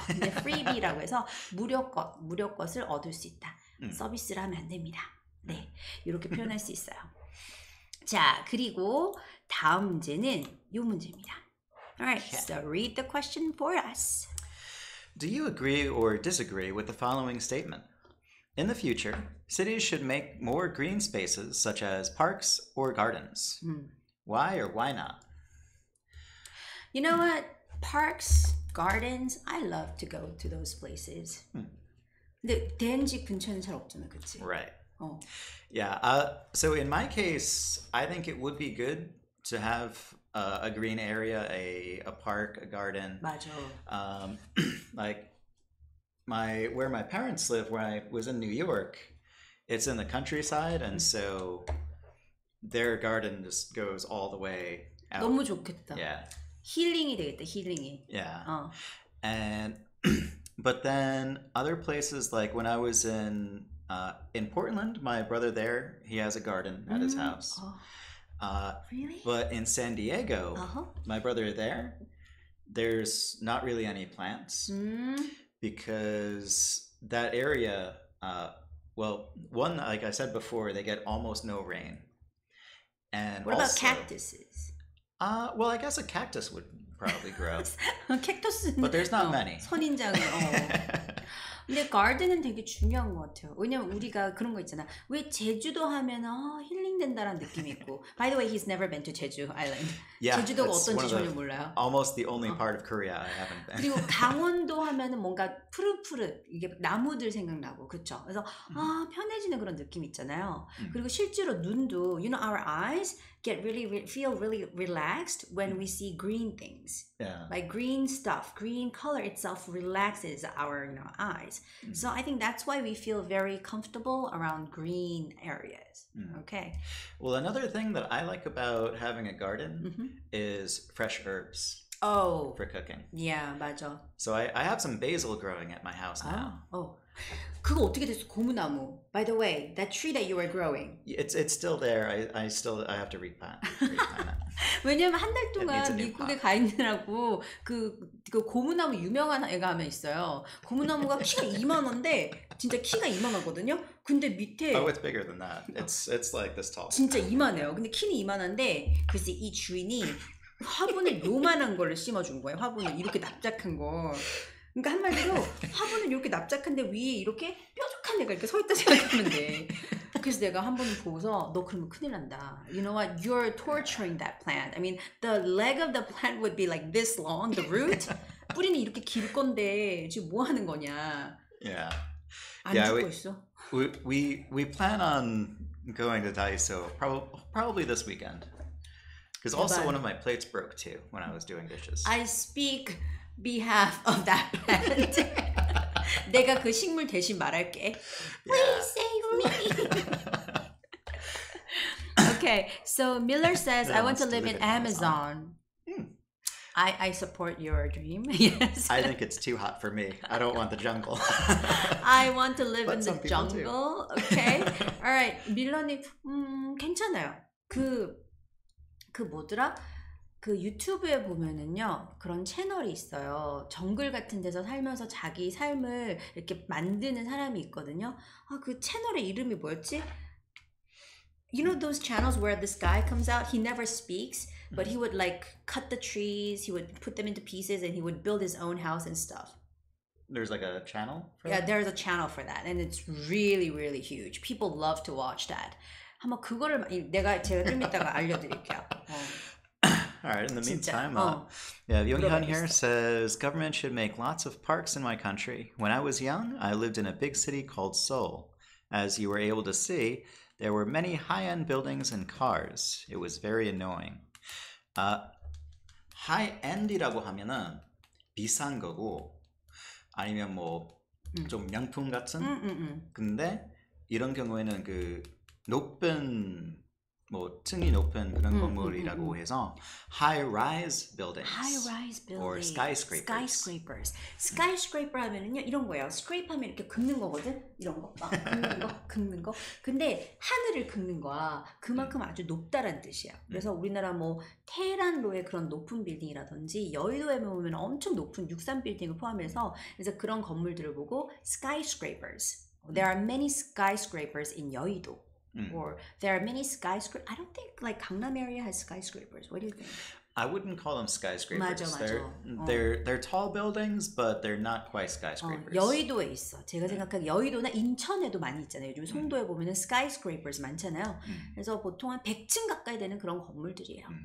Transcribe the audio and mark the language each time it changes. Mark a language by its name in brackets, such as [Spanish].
[Korean] 근데 프리비라고 해서 무료껏, 무료껏을 얻을 수 있다. 서비스를 하면 안 됩니다. 네. 이렇게 표현할 수 있어요. 자, 그리고 다음 문제는 요 문제입니다. [English] Alright, yeah. So read the question for us. Do you agree or disagree with the following statement? In the future, cities should make more green spaces such as parks or gardens. Why or why not? You know what? Parks, gardens, I love to go to those places. [Korean] 근데 댄 집 근처는 잘 없잖아요, 그치? [English] Right. Yeah, so in my case, I think it would be good to have a green area, a park, a garden. [Korean] 맞아. [English] like, where my parents live, where I was in New York, it's in the countryside, and so their garden just goes all the way out. [Korean] 너무 좋겠다. [English] Yeah. [Korean] 힐링이 되겠다, 힐링이. [English] Yeah. And, but then other places, like when I was in Portland, my brother there, he has a garden at his house. Really? But in San Diego, my brother there, there's not really any plants because that area, well, one, like I said before, they get almost no rain. And what also, about cactuses? Well, I guess a cactus would probably grow. [Korean] Cactus는 [English] but there's not many. [Korean] 선인장은, 근데 가든은 되게 중요한 것 같아요. 왜냐면 우리가 그런 거 있잖아. 왜 제주도 하면 힐링된다라는 느낌이 있고. [English] By the way, he's never been to Jeju Island. Yeah, [Korean] 제주도가 어떤지 전혀 몰라요. [English] Almost the only part of Korea I haven't been. [Korean] 그리고 강원도 하면 뭔가 푸릇푸릇 이게 나무들 생각나고 그렇죠. 그래서 편해지는 그런 느낌 있잖아요. 그리고 실제로 눈도 [English] you know our eyes get really feel really relaxed when we see green things. Yeah. Like green stuff, green color itself relaxes our you know eyes. So I think that's why we feel very comfortable around green areas. Okay. Well, another thing that I like about having a garden is fresh herbs. Oh. For cooking. Yeah, [Korean] 맞아. [English] So I have some basil growing at my house now. [Korean] Oh. 그거 어떻게 됐어? 고무나무. [English] By the way, that tree that you were growing. It's still there. I still have to repot. [Korean] 왜냐면 한 달 동안 미국에 가 있느라고 그 고무나무 유명한 애가 하나 있어요. 고무나무가 키가 2만원인데 진짜 키가 2만원거든요. 근데 밑에 [English] Oh, it's bigger than that. It's like this tall. [Korean] 진짜 2만해요. 근데 키는 2만한데 글쎄 이 주인이 화분에 요만한 걸 심어준 거예요. 화분을 이렇게 납작한 거. 그러니까 한마디로 화분은 이렇게 납작한데 위에 이렇게 뾰족한 애가 이렇게 서있다 생각하면 돼. 그래서 내가 한 번 보고서 너 그러면 큰일 난다. [English] You know what? You're torturing that plant. I mean, the leg of the plant would be like this long, the root. [Korean] 뿌리는 이렇게 길 건데 지금 뭐 하는 거냐. [English] Yeah. [Korean] 안 yeah, 죽고 있어. [English] We plan on going to Daiso probably this weekend. Because also one of my plates broke too when I was doing dishes. I speak behalf of that plant. [Korean] 내가 그 식물 대신 말할게. [English] Please yeah. save me. Okay, so Miller says, I want to live in Amazon. I support your dream. Yes. I think it's too hot for me. I don't want the jungle. I want to live but in the jungle. Too. Okay. All right, [Korean] Miller님, 괜찮아요. 그 그 뭐더라? 그 유튜브에 보면은요 그런 채널이 있어요. 정글 같은 데서 살면서 자기 삶을 이렇게 만드는 사람이 있거든요. 아, 그 채널의 이름이 뭐였지? [English] You know those channels where this guy comes out? He never speaks, but he would like cut the trees, he would put them into pieces, and he would build his own house and stuff. There's like a channel for that? Yeah, there's a channel for that, and it's really, really huge. People love to watch that. [Korean] 한번 그거를 제가 좀 이따가 알려드릴게요. [English] All right, in the meantime, Yonghyun here says, government should make lots of parks in my country. When I was young, I lived in a big city called Seoul. As you were able to see, there were many high-end buildings and cars. It was very annoying. [Korean] High-end이라고 하면은 비싼 거고, 아니면 뭐 좀 명품 같은? 근데 이런 경우에는 그 높은... 뭐 층이 높은 그런 건물이라고 해서 [English] high-rise buildings, high-rise buildings or skyscrapers. [Korean] Skyscrapers. Skyscraper 하면은요 이런 거예요. Scrape 하면 이렇게 긁는 거거든. 이런 거. 막 긁는 거. 근데 하늘을 긁는 거야. 그만큼 아주 높다란 뜻이야. 그래서 우리나라 뭐 테란로의 그런 높은 빌딩이라든지 여의도에 보면 엄청 높은 63 빌딩을 포함해서 그래서 그런 건물들을 보고 skyscrapers. [English] There are many skyscrapers in 여의도. Or there are many skyscrapers. I don't think like Gangnam area has skyscrapers. What do you think? I wouldn't call them skyscrapers. [Korean] 맞아, 맞아. [English] They're tall buildings, but they're not quite skyscrapers. [Korean] 여의도에 있어. 제가 생각한 여의도나 인천에도 많이 있잖아요. 요즘 송도에 보면은 skyscrapers 많잖아요. 그래서 보통 한 100층 가까이 되는 그런 건물들이에요.